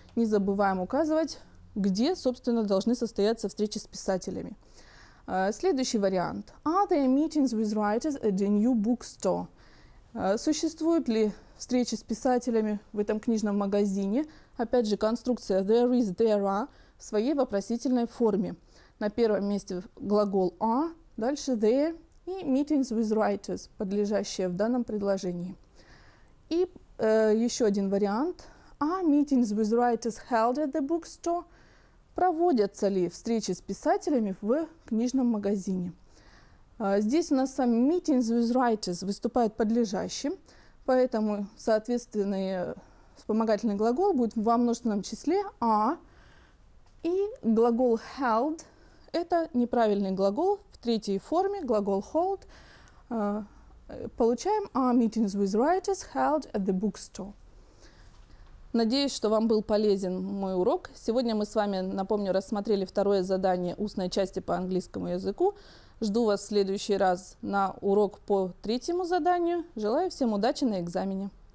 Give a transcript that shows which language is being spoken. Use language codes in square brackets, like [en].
[ru] Не забываем указывать, где, собственно, должны состояться встречи с писателями. Следующий вариант. [en] Are there meetings with writers at the new bookstore? [ru] Существуют ли встречи с писателями в этом книжном магазине? Опять же, конструкция [en] there is, there are [ru] в своей вопросительной форме. На первом месте глагол are, дальше there и [en] meetings with writers, [ru] подлежащее в данном предложении. И еще один вариант. [en] Are meetings with writers held at the bookstore? [ru] Проводятся ли встречи с писателями в книжном магазине? Здесь у нас сам [en] meetings with writers [ru] выступает подлежащим, поэтому соответственный вспомогательный глагол будет во множественном числе are. И глагол held – это неправильный глагол в третьей форме, глагол hold. Получаем [en] are meetings with writers held at the bookstore. [ru] Надеюсь, что вам был полезен мой урок. Сегодня мы с вами, напомню, рассмотрели второе задание устной части по английскому языку. Жду вас в следующий раз на урок по третьему заданию. Желаю всем удачи на экзамене.